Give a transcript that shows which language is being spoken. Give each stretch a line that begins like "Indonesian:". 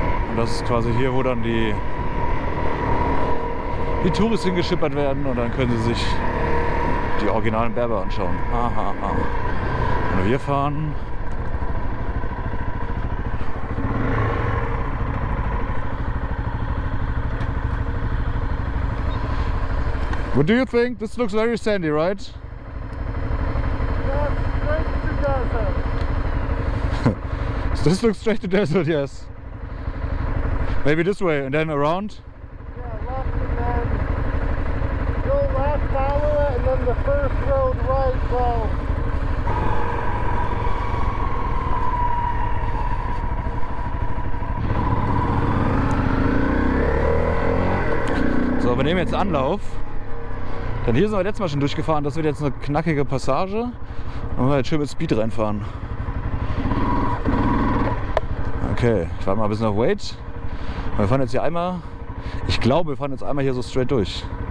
German: Und das ist quasi hier, wo dann die Touristen hingeschippert werden und dann können sie sich die originalen Berber anschauen. Aha, aha. Und wir fahren
English: What do you think? This looks very sandy, right? Yes, straight to desert. This looks straight to desert, yes. Maybe this way and then around? Yeah, left and then go left, follow it and then the first road right, so
German: wir nehmen jetzt Anlauf, denn hier sind wir letztes Mal schon durchgefahren, das wird jetzt eine knackige Passage und wir werden jetzt schön mit Speed reinfahren. Okay, ich warte mal ein bisschen auf Wade. Wir fahren jetzt hier einmal, ich glaube, wir fahren jetzt einmal hier so straight durch.